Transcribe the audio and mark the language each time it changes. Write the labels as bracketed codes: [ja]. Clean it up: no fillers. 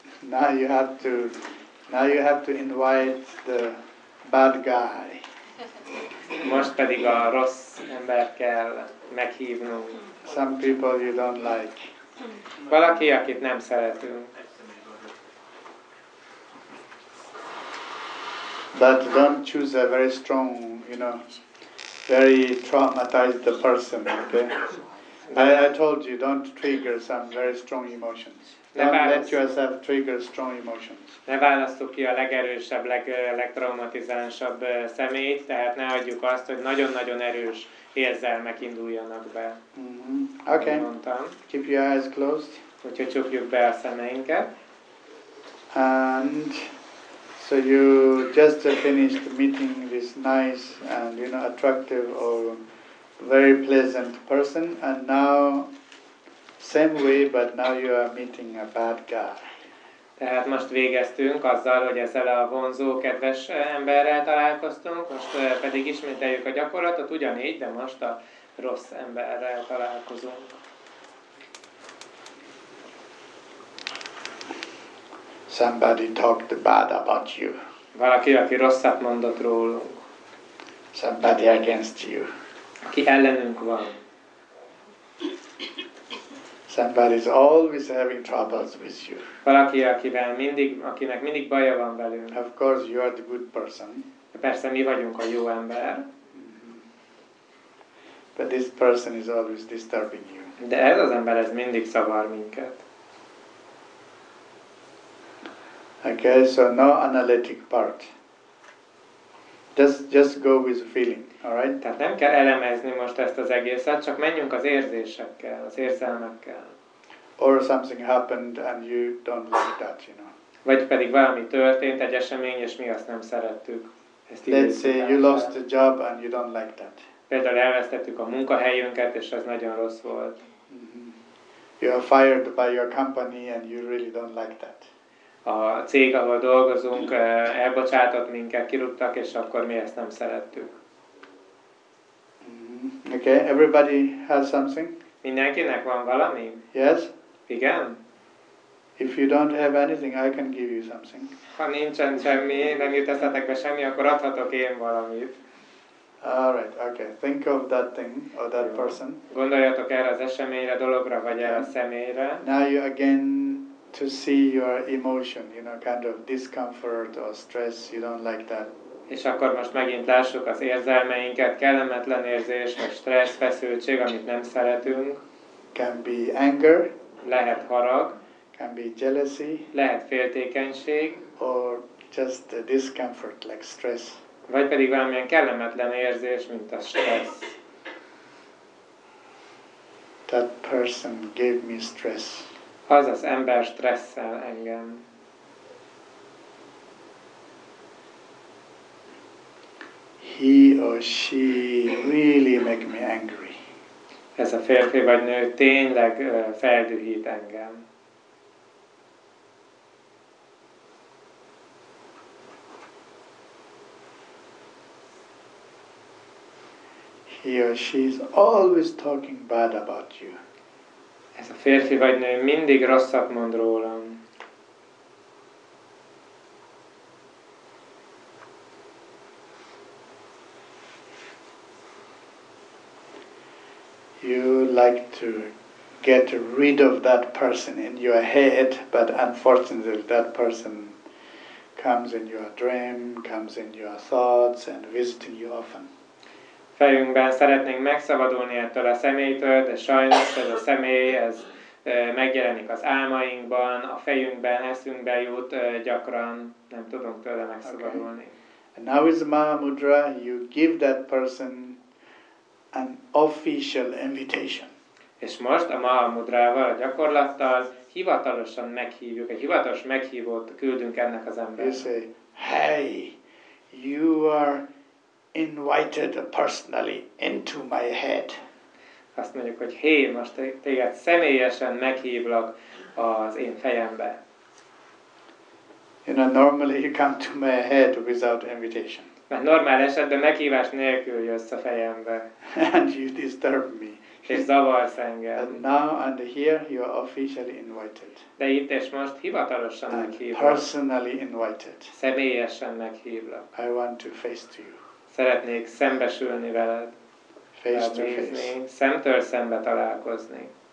[en] Now you have to invite the bad guy. [hu] Most pedig a rossz ember kell meghívnunk. [en] Some people you don't like. [hu] Valaki, akit nem szeretünk. [en] But don't choose a very strong, you know, very traumatized person, okay? I told you, don't trigger some very strong emotions. Don't let yourself trigger strong emotions. [hu] Ne választok ki a legerősebb, legtraumatizánsabb személyt, tehát ne adjuk azt, hogy nagyon-nagyon erős érzelmek induljanak be. [en] Mm-hmm. Okay. [hu] Mondtam. [en] Keep your eyes closed. [hu] Hogyha csukjuk be a szemeinket. [en] And so you just finished meeting this nice and, you know, attractive or very pleasant person, and now same way, but now you are meeting a bad guy. [hu] Tehát most végeztünk azzal, hogy ezzel a vonzó, kedves emberrel találkoztunk, most pedig ismételjük a gyakorlatot, ugyanígy, de most a rossz emberrel találkozunk. [en] Somebody talked bad about you. [hu] Valaki, aki rosszat mondott rólunk. [en] Somebody against you. [hu] Aki ellenünk van. [en] Somebody is always having troubles with you. [hu] Valaki, akinek mindig baja van velünk. [en] Of course, you are the good person. [hu] De persze mi vagyunk a jó ember. [en] Mm-hmm. But this person is always disturbing you. [hu] De ez az ember, ez mindig zavar minket. [en] Okay, so no analytic part. Just go with the feeling, all right? [hu] Tehát nem kell elemezni most ezt az egészet, csak menjünk az érzésekkel, az érzelmekkel. [en] Or something happened and you don't like that, you know. [hu] Vagy pedig valami történt, egy esemény, és mi azt nem szerettük. [en] Let's say you lost the job and you don't like that. [hu] Például elvesztettük a munkahelyünket, és ez nagyon rossz volt. Mm-hmm. [en] You are fired by your company and you really don't like that. [hu] A cég, ahol dolgozunk, elbocsátott minket, kirúgtak, és akkor mi ezt nem szerettük. [en] Mm-hmm. Okay, everybody has something? [hu] Mindenkinek van valami? [en] Yes? [hu] Igen? [en] If you don't have anything, I can give you something. [hu] Ha nincsen semmi, nem jut eszetek be semmi, akkor adhatok én valamit. [en] Alright, okay, think of that thing, or that person. [hu] Gondoljatok erre az eseményre, dologra, vagy erre a személyre. [en] Now you again to see your emotion, you know, kind of discomfort or stress, you don't like that. [hu] És akkor most megint lássuk az érzelmeinket, kellemetlen érzés, vagy stressz, feszültség, amit nem szeretünk. [en] Can be anger. [hu] Lehet harag. [en] Can be jealousy. [hu] Lehet féltékenység. [en] Or just a discomfort, like stress. [hu] Vagy pedig valamilyen kellemetlen érzés, mint a stressz. [en] That person gave me stress. [hu] Az az ember stresszel engem. [en] He or she really make me angry. [hu] Ez a férfi vagy nő tényleg feldühít engem. [en] He or she is always talking bad about you. [hu] Ez a férfi vagy nő mindig rosszat mond rólam. [en] You like to get rid of that person in your head, but unfortunately that person comes in your dream, comes in your thoughts and visiting you often. [hu] Fejünkben szeretnénk megszabadulni ettől a személytől, de sajnos ez a személy, ez megjelenik az álmainkban, a fejünkben, eszünkbe jut gyakran, nem tudunk tőle megszabadulni. [en] Okay. Now is Mahamudra, you give that person an official invitation. [hu] És most a Mahamudrával, a gyakorlattal hivatalosan meghívjuk, egy hivatalos meghívót küldünk ennek az embernek. [en] You say, hey, you are invited personally into my head. [hu] azt mondjuk, hogy hé, most téged személyesen meghívlak az én fejembe. [en] You know, normally you come to my head without invitation. [hu] Mert normál esetben meghívás nélkül jössz a fejembe. [en] And you disturb me. [hu] És zavarsz engem. [en] And now and here you are officially invited. [hu] De itt és most hivatalosan meghívlak. [en] Personally invited. [hu] Személyesen meghívlak. [en] I want to face to you. [hu] Szeretnék szembesülni veled. [en] Face to face. [hu] Szemtől szembe találkozni.